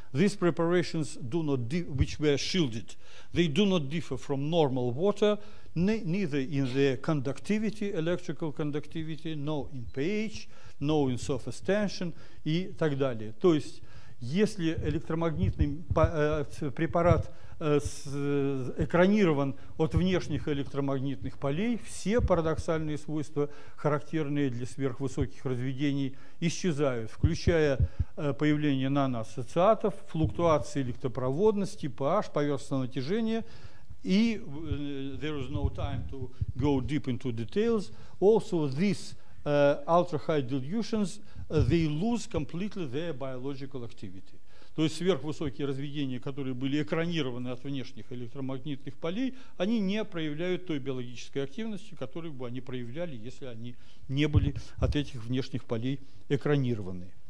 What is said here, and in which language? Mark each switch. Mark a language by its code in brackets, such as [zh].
[en] These preparations do not which were shielded, they do not differ from normal water, neither in their conductivity, electrical conductivity, nor in pH, nor in surface tension [ru] и так далее. То есть, если электромагнитный препарат экранирован от внешних электромагнитных полей, все парадоксальные свойства, характерные для сверхвысоких разведений, исчезают, включая появление наноассоциатов, флуктуации электропроводности, pH, поверхностного натяжения. [en] И there is no time to go deep into details. Also, these ultra-high dilutions, they lose completely their biological activity. [ru] То есть сверхвысокие разведения, которые были экранированы от внешних электромагнитных полей, они не проявляют той биологической активности, которую бы они проявляли, если они не были от этих внешних полей экранированы.